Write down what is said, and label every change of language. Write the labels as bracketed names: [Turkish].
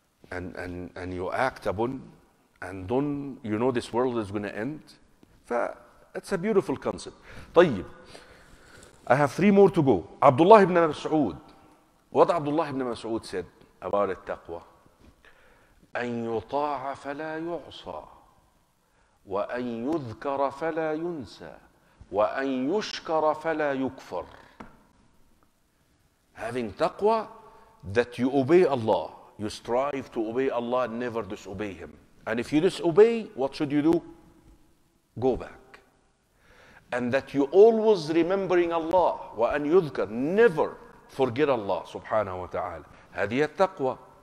[English] And you act upon, and don't you know this world is going to end? It's a beautiful concept. طيب, I have three more to go. Abdullah ibn Mas'ud. What Abdullah ibn Mas'ud said about the taqwa? [Arabic] أن يطاع فلا يعصى وأن يذكر فلا ينسى وأن يشكر فلا يكفر. [English] Having taqwa, that you obey Allah, you strive to obey Allah and never disobey Him. And if you disobey, what should you do? Go back. And that you always remembering Allah, وأن يذكر, never forget Allah سبحانه وتعالى. [Arabic] هذه التقوى.